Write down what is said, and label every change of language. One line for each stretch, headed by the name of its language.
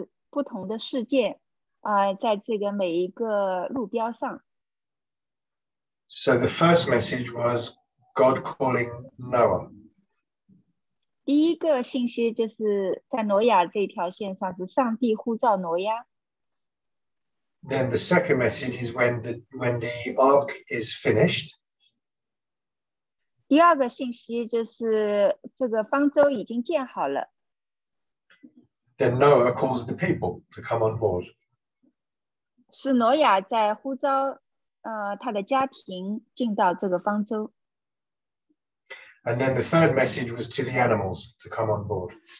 Chinese: 我们看到这个预言线上这些不同的信息，在这个不同的这个事件上，就是不同的信息是不同的事件。在这个每一个路标上。
English: So the first message was God calling Noah.
Chinese: 第一个信息就是在挪亚这条线上是上帝呼召挪亚。
English: Then the second message is when the ark is finished.
Chinese: 第二个信息就是这个方舟已经建好了。
English: Then Noah calls the people to come on board.
Chinese: 是挪亚在呼召他的家庭进到这个方舟。
English: And then the third message was to the animals to come on board.